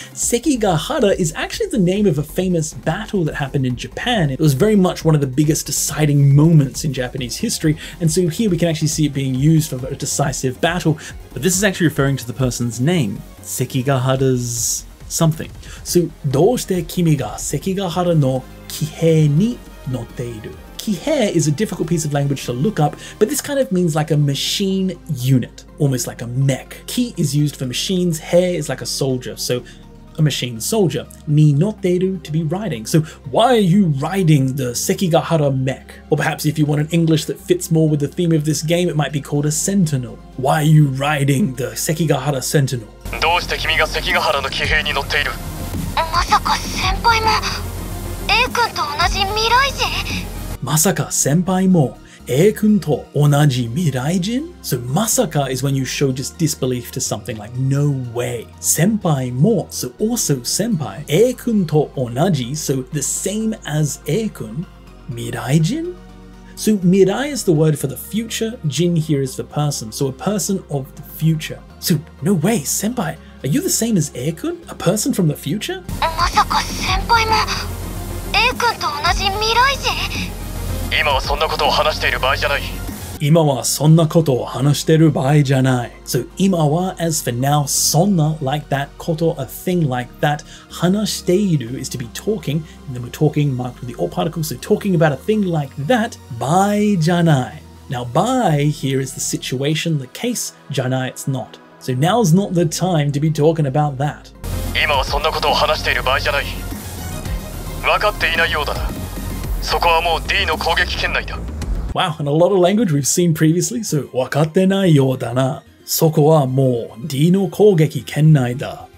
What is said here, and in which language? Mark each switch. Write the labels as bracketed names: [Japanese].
[English] Sekigahara is actually the name of a famous battle that happened in Japan. It was very much one of the biggest deciding moments in Japanese history. And so here we can actually see it being used for a decisive battle. But this is actually referring to the person's name. Sekigahara's something. [Japanese] So, どうして君が関ヶ原の騎兵に乗っている? [English] 騎兵 is a difficult piece of language to look up, but this kind of means like a machine unit, almost like a mech. 騎 is used for machines, 兵 is like a soldier, so a machine soldier. に乗っている, to be riding. So, why are you riding the 関ヶ原 mech? Or perhaps if you want an English that fits more with the theme of this game, it might be called a sentinel. Why are you riding the 関ヶ原 sentinel? [Japanese] どうして君が関ヶ原の騎兵に乗っている? まさか先輩も A 君と同じ未来人? まさか先輩も A 君と同じ未来人? [English] So, まさか is when you show just disbelief to something, like no way. 先輩も, so also 先輩, [Japanese] A 君と同じ, [English] so the same as A 君, 未来人? So, mirai is the word for the future, jin here is the person, so a person of the future. So, no way, senpai, are you the same as Eikun? A person from the future? [Japanese] まさか先輩も Eikun と同じ未来人? 今はそんなことを話している場合じゃない。今はそんなことを話している場合じゃない。 [English] So, 今は as for now, そんな like that, こと, a thing like that, [Japanese] 話している [English] is to be talking, and then we're talking marked with the or particle, so talking about a thing like that, [Japanese] 場合じゃない。 [English] Now, 場合 here is the situation, the case, じゃない it's not. So now's not the time to be talking about that. [Japanese] 今はそんなことを話している場合じゃない。分かっていないようだな。そこはもう D の攻撃圏内だ。 [English] Wow, and a lot of language we've seen previously, so [Japanese] わかってないようだな。そこはもう D の攻撃圏内だ。